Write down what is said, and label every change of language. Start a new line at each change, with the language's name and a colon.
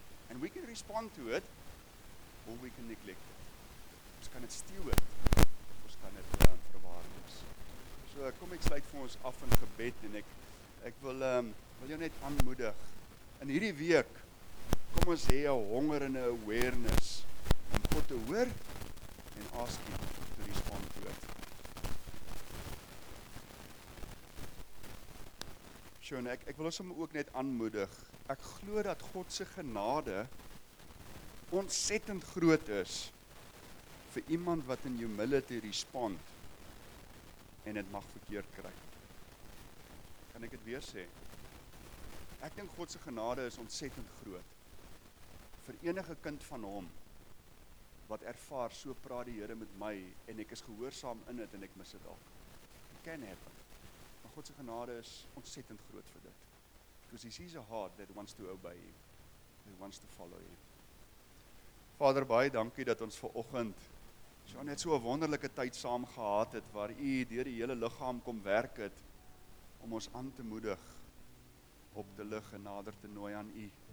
English: And we can respond to it, or we can neglect it.
Afrikaans: Ons kan dit steward, ons kan dit verwaarloos. So kom ek sluit vir ons af in gebed, en ek wil jou net aanmoedig. In hierdie week, kom ons hê 'n honger en 'n awareness om God te hoor en
English: ask Him to respond to it.
Afrikaans: So, ek wil ons ook net aanmoedig. Ek glo dat God se genade ontsettend groot is vir iemand wat in humility respond en dit mag verkeerd kry. Kan ek dit weer sê? Ek dink God se genade is ontsettend groot vir enige kind van hom wat ervaar, so praat die Here met my en ek is gehoorsaam in dit en ek mis dit dalk.
English: It can happen.
Afrikaans: Maar God se genade is ontsettend groot vir dit.
English: Because he sees a heart that wants to obey him. He wants to follow him.
Afrikaans: Vader, baie dankie dat ons vanoggend so net so 'n wonderlike tyd saam gehad het waar u deur die hele liggaam kom werk het om ons aan te moedig, op te lig en nader te nooi aan u.